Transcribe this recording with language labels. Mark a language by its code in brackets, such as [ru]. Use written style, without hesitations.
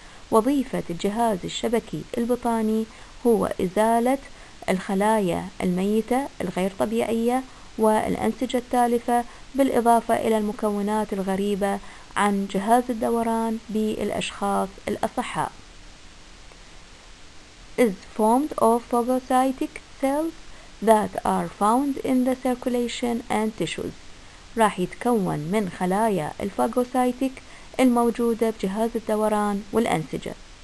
[ar] وظيفة الجهاز الشبكي البطاني هو إزالة الخلايا الميتة الغير طبيعية والأنسجة التالفة بالإضافة إلى المكونات الغريبة عن جهاز الدوران بالأشخاص الأصحاء. [en] is formed of phagocytic cells that are found in the circulation and tissues. [ar] راح يتكون من خلايا الفاغوسايتيك الموجودة بجهاز الدوران والأنسجة.